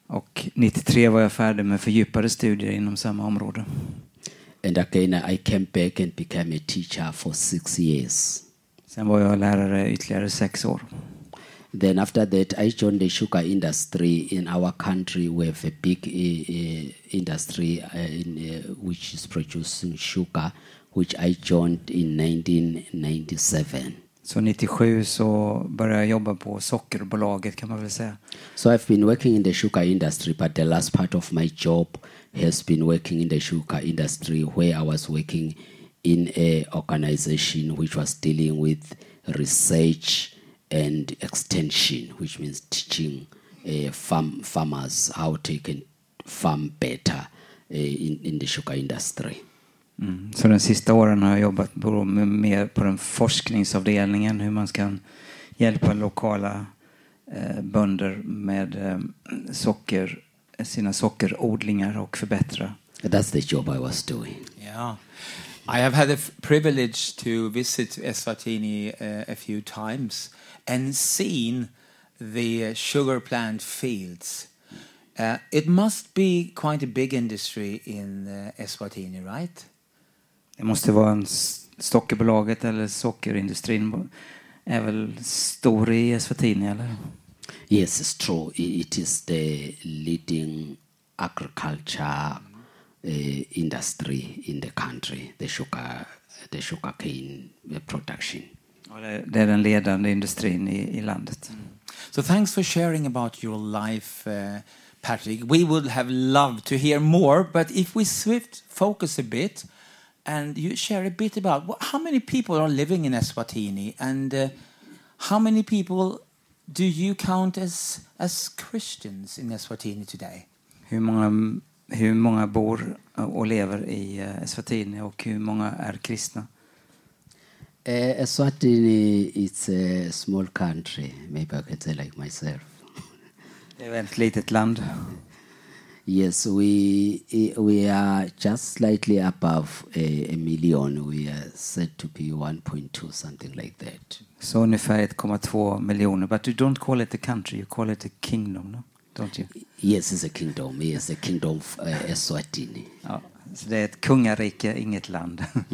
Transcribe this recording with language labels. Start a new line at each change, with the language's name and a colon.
Swedish: Och 93 var jag färdig med fördjupade studier inom samma område.
English: And again, I came back and became a teacher for 6 years.
Swedish: Sen var jag lärare ytterligare 6 år.
English: Then after that I joined the sugar industry in our country. We have a big industry which is producing sugar, which I joined in 1997.
Swedish: Så 97 så började jag jobba på sockerbolaget, kan man väl säga.
English: So I've been working in the sugar industry, but the last part of my job has been working in the sugar industry, where I was working in a organization which was dealing with research and extension, which means teaching farmers how they can farm better in the sugar industry.
Swedish: Så den sista åren har jag jobbat mer på den forskningsavdelningen, hur man ska hjälpa lokala bönder med socker, sina sockerodlingar, och förbättra.
English: That's the job I was doing. Yeah. I have had the privilege to visit Eswatini a few times and seen the sugar plant fields. It must be quite a big industry in Eswatini, right?
Swedish: Det måste vara en sockerbolaget eller sockerindustrin är väl stor i Eswatini, eller?
English: Yes, it's true. It is the leading agriculture industry in the country, the sugar cane production.
Swedish: Det är den ledande industrin i landet.
English: So thanks for sharing about your life, Patrick. We would have loved to hear more, but if we shift focus a bit and you share a bit about how many people are living in Eswatini and how many people do you count as Christians in Eswatini today?
Swedish: Hur många bor och lever i Eswatini, och hur många är kristna?
English: Eswatini is a small country, maybe I can say like myself.
Swedish: Det är ett litet land.
English: Yes, we are just slightly above a million. We are said to be 1.2, something like that.
Swedish: Så ungefär 1,2 miljoner.
English: But you don't call it a country, you call it a kingdom, no? Don't you? Yes, it's a kingdom. Yes, a kingdom of Eswatini.
Swedish: Ja, så det är ett kungarike, inget land.